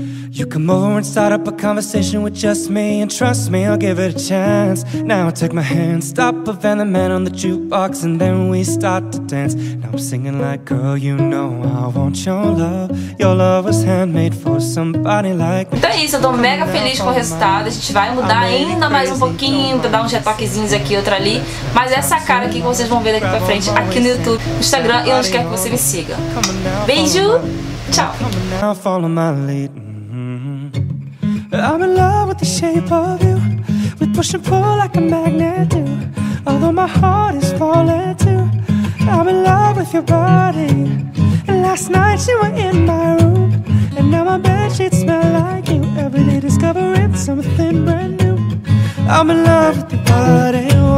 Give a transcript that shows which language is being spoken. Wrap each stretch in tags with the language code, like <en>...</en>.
<en>You come over and start up a conversation with just me, and trust me, I'll give it a chance. Now I take my hand, stop a venom man on the jukebox, and then we start to dance. Now I'm singing like, girl, you know I want your love. Your love was handmade for somebody like me.</en> <pt>Então é isso, eu tô mega feliz com o resultado. A gente vai mudar ainda mais um pouquinho pra dar uns retoquezinhos aqui, outro ali. Mas essa cara aqui que vocês vão ver daqui pra frente, aqui no YouTube, no Instagram, e onde quer que você me siga. Beijo, tchau.</pt> <en>Follow my lead. I'm in love with the shape of you. We push and pull like a magnet do. Although my heart is falling too, I'm in love with your body. And last night you were in my room, and now my bedsheets smell like you. Every day discovering something brand new. I'm in love with your body.</en>